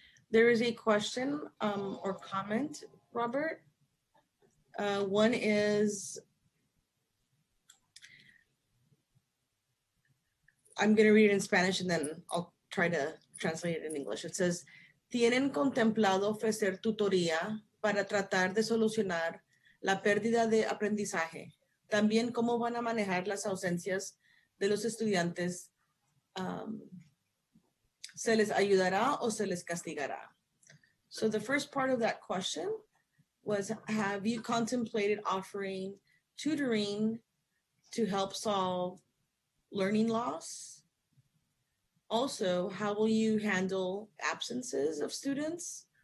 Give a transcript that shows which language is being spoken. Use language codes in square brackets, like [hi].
[en] There is a question or comment, Robert. One is, I'm going to read it in Spanish and then I'll try to translate it in English. It says, [es] ¿tienen contemplado ofrecer tutoría para tratar de solucionar la pérdida de aprendizaje? También, ¿cómo van a manejar las ausencias de los estudiantes? ¿Se les ayudará o se les castigará? [en] So the first part of that question was, have you contemplated offering tutoring to help solve learning loss? Also, how will you handle absences of students?